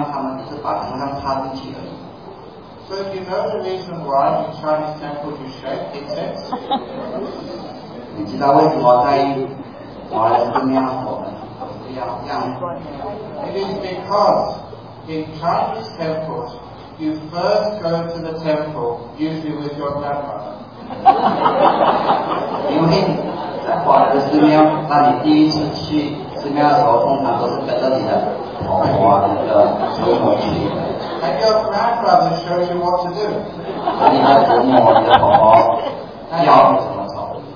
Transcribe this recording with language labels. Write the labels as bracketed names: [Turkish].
[Chinese] 我在告诉我的堂姐的学生，在我的寺庙里面，不管是大分的寺庙或者是三种的寺庙，当你把香放进那个香罐里面，要，要，要。在泰国的寺庙，他们只是把香放进去而已。 [English] So do you know the reason why in Chinese temple you shake incense? [Chinese] 你知道为什么在华人寺庙我们都是要这样？ [English] It is because in Chinese temples you first go to the temple usually with your grandmother. [Chinese] 因为在华人寺庙，当你第一次去寺庙的时候，通常都是跟着你的婆婆那个祖母去。 [English] And your grandmother shows you what to do. [Chinese] 你的祖母，你的婆婆，教你怎么走。